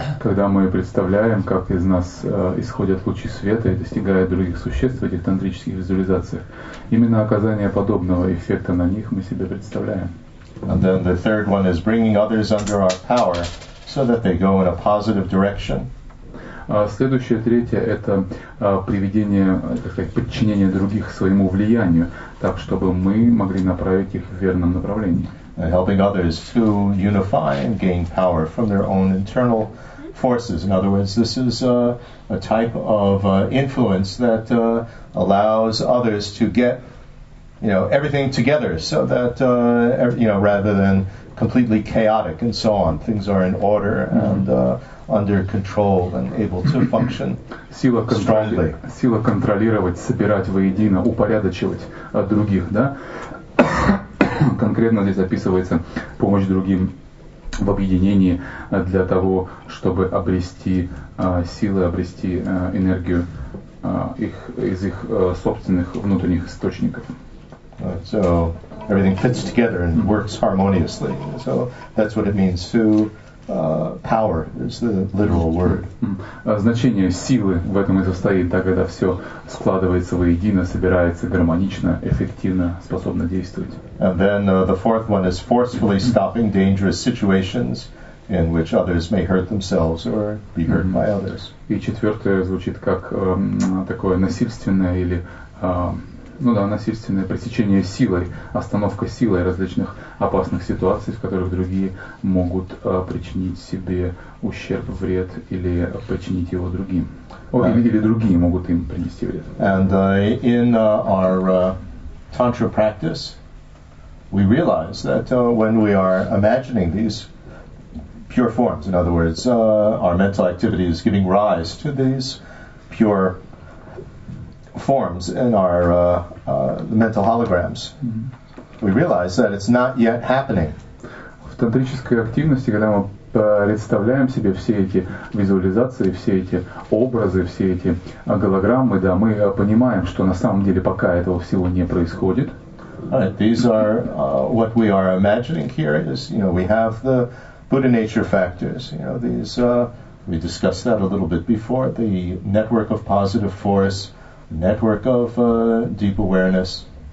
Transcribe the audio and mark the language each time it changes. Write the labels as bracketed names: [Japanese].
[Russian] Когда мы представляем, как из нас исходят лучи света и достигают других существ в этих тантрических визуализациях, именно оказание подобного эффекта на них мы себе представляем. [English] And then the third one is bringing others under our power so that they go in a positive direction. [Russian] Следующее, третье, это приведение, так сказать, подчинение других своему влиянию, так, чтобы мы могли направить их в верном направлении. [English] Helping others to unify and gain power from their own internal forces. In other words, this is a type of influence that allows others to get, you know, everything together, so that, you know, rather than completely chaotic and so on, things are in order and under control and able to function strongly. [Russian] Сила контролировать, собирать воедино, упорядочивать других, да? Конкретно здесь описывается помощь другим в объединении для того, чтобы обрести силы, обрести энергию из их собственных внутренних источников. [English] So everything fits together and works harmoniously. So that's what it means to power is the literal word. [Russian] Значение силы в этом и состоит, так когда все складывается воедино, собирается гармонично, эффективно, способно действовать. [English] And then the fourth one is forcefully stopping dangerous situations in which others may hurt themselves or be hurt by others. [Russian] И четвертое звучит как такое насильственное или насильственное пресечение силой, остановка силой различных опасных ситуаций, в которых другие могут причинить себе ущерб, вред или причинить его другим. Или другие могут им принести вред. [English] And in our tantra practice, we realize that when we are imagining these pure forms, in other words, our mental activity is giving rise to these pure forms in our the mental holograms. We realize that it's not yet happening. [Russian] В тантрической активности, когда мы представляем себе все эти визуализации, все эти образы, все эти голограммы, да, мы понимаем, что на самом деле пока этого всего не происходит. [English] Right, these are what we are imagining here is, you know, we have the Buddha nature factors, you know, these we discussed that a little bit before, the network of positive force, network of deep awareness.